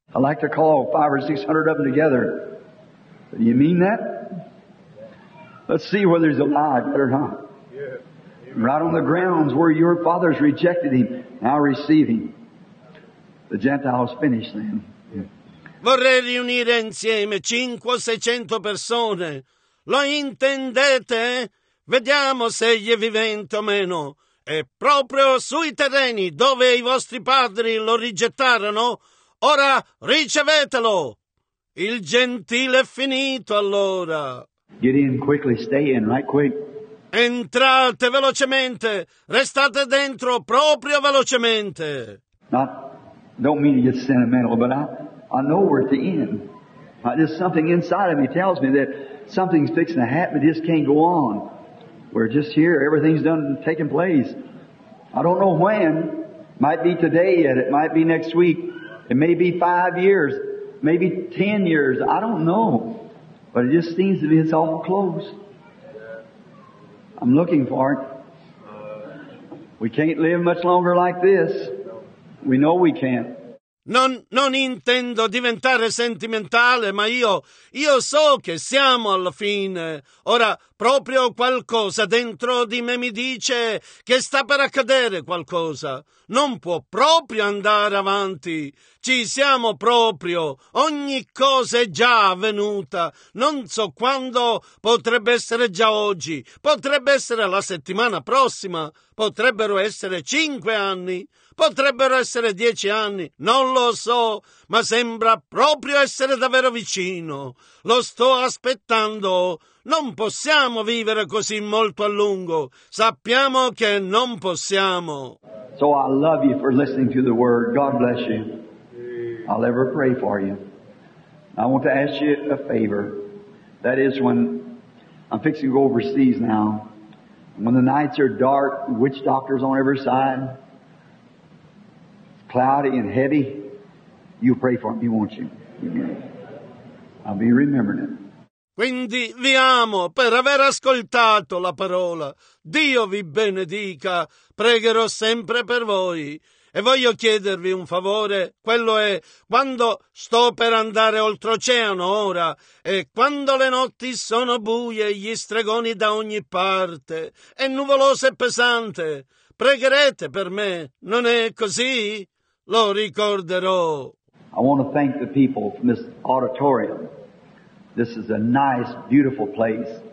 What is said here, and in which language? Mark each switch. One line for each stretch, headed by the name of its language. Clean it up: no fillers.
English: I'd like to call 500 or 600 of them together. Do you mean that? Let's see whether he's alive or not. Right on the grounds where your fathers rejected him, now receive him. The Gentiles finished then.
Italian: Vorrei riunire insieme 500 o 600 persone. Lo intendete? Vediamo se egli è vivente o meno. E proprio sui terreni dove i vostri padri lo rigettarono, ora ricevetelo. Il gentile è finito allora.
English: Get in quickly, stay in right quick.
Italian: Entrate velocemente, restate dentro proprio velocemente.
English: Not, don't mean to get sentimental, but I know we're at the end. There's something inside of me tells me that something's fixing to happen. It just can't go on. We're just here. Everything's done, taking place. I don't know when. Might be today yet. It might be next week. It may be 5 years. Maybe 10 years. I don't know. But it just seems to be it's all close. I'm looking for it. We can't live much longer like this. We know we can't.
Italian: Non intendo diventare sentimentale, ma io so che siamo alla fine. Ora, proprio qualcosa dentro di me mi dice che sta per accadere qualcosa. Non può proprio andare avanti. Ci siamo proprio. Ogni cosa è già avvenuta. Non so quando, potrebbe essere già oggi. Potrebbe essere la settimana prossima. Potrebbero essere 5 anni. Potrebbero essere 10 anni, non lo so, ma sembra proprio essere davvero vicino. Lo sto aspettando. Non possiamo vivere così molto a lungo. Sappiamo che non possiamo.
English: So I love you for listening to the word. God bless you. I'll ever pray for you. I want to ask you a favor. That is, when I'm fixing to go overseas now, when the nights are dark, witch doctors on every side, cloudy and heavy, you pray for me, won't you? I'll be remembering it.
Italian: Quindi vi amo per aver ascoltato la parola. Dio vi benedica. Pregherò sempre per voi. E voglio chiedervi un favore, quello è quando sto per andare oltreoceano ora e quando le notti sono buie e gli stregoni da ogni parte è nuvoloso e pesante, pregherete per me, non è così? Lo ricorderò.
English: I want to thank the people from this auditorium. This is a nice, beautiful place.